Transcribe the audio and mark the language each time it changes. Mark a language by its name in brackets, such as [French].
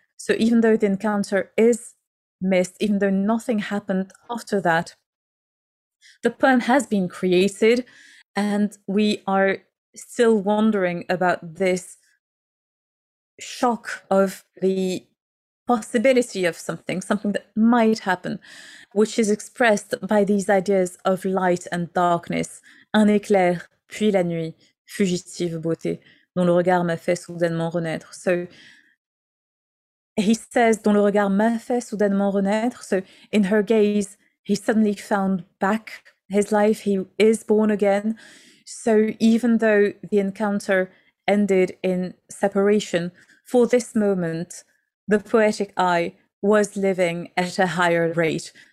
[English] So even though the encounter is missed, even though nothing happened after that, the poem has been created and we are still wondering about this shock of the possibility of something that might happen, which is expressed by these ideas of light and darkness. [French] Un éclair, puis la nuit, fugitive beauté, dont le regard m'a fait soudainement renaître. [English] So he says, [French] dont le regard m'a fait soudainement renaître. [English] So in her gaze, he suddenly found back his life. He is born again. So even though the encounter ended in separation, for this moment, the poetic eye was living at a higher rate.